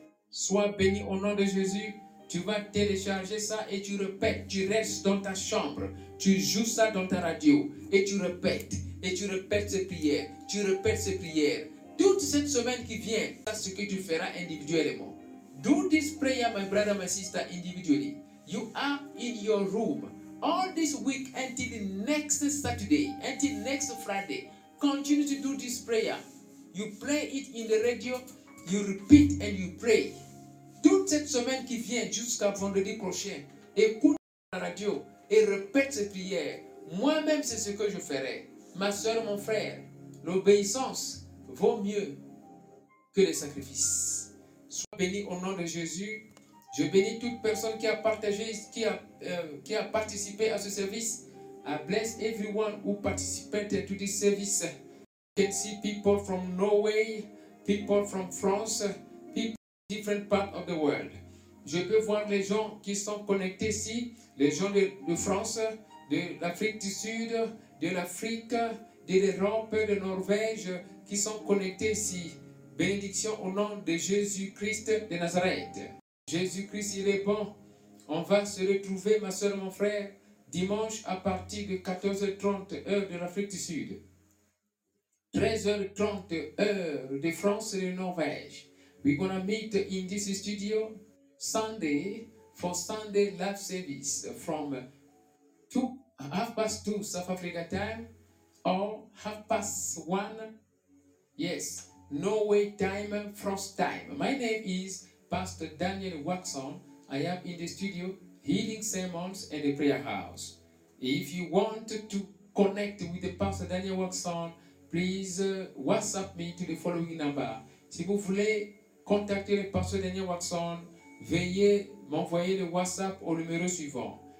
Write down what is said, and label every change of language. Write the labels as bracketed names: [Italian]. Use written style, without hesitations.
[French] Sois béni au nom de Jésus. Tu vas télécharger ça et tu répètes, tu restes dans ta chambre, tu joues ça dans ta radio et tu répètes ces prières, tu répètes ces prières. Toute cette semaine qui vient, c'est ce que tu feras individuellement. [English] Do this prayer, my brother, my sister, individually. You are in your room all this week until next Saturday, until next Friday. Continue to do this prayer. You play it in the radio, you repeat and you pray. [French] Toute cette semaine qui vient jusqu'à vendredi prochain, écoute la radio et répète ces prières. Moi-même, c'est ce que je ferai. Ma soeur, mon frère, l'obéissance vaut mieux que les sacrifices. Sois béni au nom de Jésus. Je bénis toute personne qui a partagé, qui a participé à ce service. [English] I bless everyone who participated to this service. You can see people from Norway, people from France, different parts of the world. [French] Je peux voir les gens qui sont connectés ici, les gens de France, de l'Afrique du Sud, de l'Afrique, de l'Europe, de Norvège, qui sont connectés ici. Bénédiction au nom de Jésus-Christ de Nazareth. Jésus-Christ, il est bon. On va se retrouver, ma soeur, mon frère, dimanche à partir de 14h30 heure de l'Afrique du Sud. 13h30 heure de France et de Norvège. [English] We're going to meet in this studio Sunday for Sunday live service from 2:30 South Africa time or 1:30, yes, Norway time, France time. My name is Pastor Daniel Waxon. I am in the studio Healing Sermons and the Prayer House. If you want to connect with the pastor Daniel Watson, please WhatsApp me to the following number. [French] Si vous voulez contacter le pasteur Daniel Watson, veuillez m'envoyer le WhatsApp au numéro suivant.